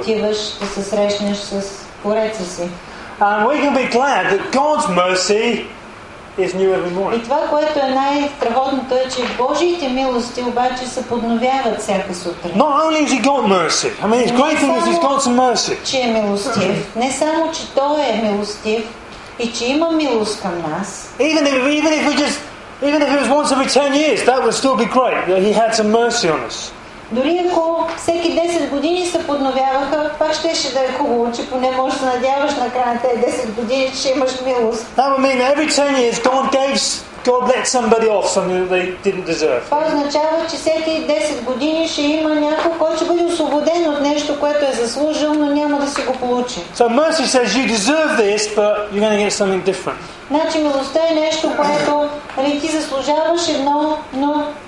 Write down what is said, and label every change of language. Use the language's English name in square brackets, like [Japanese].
[Bulgarian] Отиваш да се срещнеш с Твореца си. [English] And we can be glad that God's mercy is new every morning. [Bulgarian] И това, което е най-страхотното, е, че Божиите милости обаче се подновяват всяка сутрин. [English] Not only has he got mercy. I mean, his great thing is he's got some mercy. [Bulgarian] Че е милостив. Не само, че Той е милостив и че има милост към нас. [English] Even if it was once every 10 years, that would still be great. That he had some mercy on us. [Bulgarian] Дори ако всеки 10 години се подновяваха, пак щеше да е хубаво, че поне можеш да надяваш на края на тези 10 години, че имаш милост. [English] That would mean every 10 years God let somebody off something that they didn't deserve. [Bulgarian] Това означава, че всеки 10 години ще има някой, който ще бъде освободен от нещо, което е заслужил, но няма да си го получи. [English] So mercy says you deserve this, but you're going to get something different. [Bulgarian] Значи милостта е нещо, което ти заслужаваш едно, но.